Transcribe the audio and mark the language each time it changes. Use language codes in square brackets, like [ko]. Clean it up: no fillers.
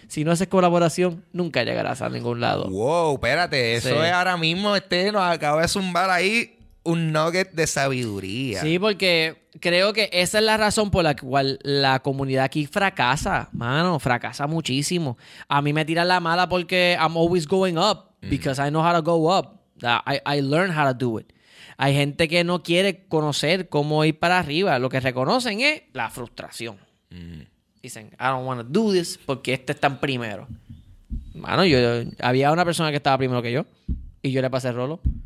[es] Si no haces colaboración, nunca llegarás a ningún lado. Wow, espérate, eso es ahora mismo, nos acaba de zumbar ahí un nugget de sabiduría. Sí, porque creo que esa es la razón por la cual la comunidad aquí fracasa, mano, fracasa muchísimo. A mí me tira la mala porque [en] I'm always going up. Because I know how to go up. I learned how to do it. [es] Hay gente que no quiere conocer cómo ir para arriba. Lo que reconocen es la frustración. Dicen, [en] I don't want to do this [es] porque este está en primero. Bueno, yo había una persona que estaba primero que yo. Y yo le pasé el rolo.